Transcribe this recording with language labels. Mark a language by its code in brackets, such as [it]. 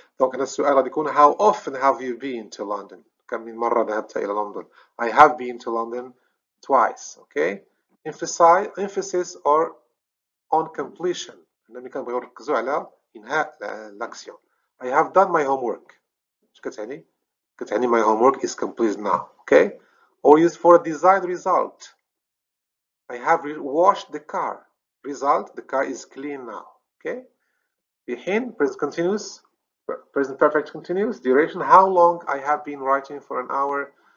[ar] دونك هنا السؤال غادي يكون [en] how often have you been to London? [ar] كم من مرة ذهبت إلى لندن؟ [en] I have been to London twice. Okay. Emphasis or on completion. [ar] لما كان بيركزوا على إنهاء الأكسيون. [en] I have done my homework. [ar] شو كتعني؟ كتعني [en] my homework is complete now. Okay? Or use for a desired result. I have washed the car. Result, the car is clean now. Okay? [ar] في حين, [en] present continuous, present perfect continuous, duration, how long I have been writing for an hour.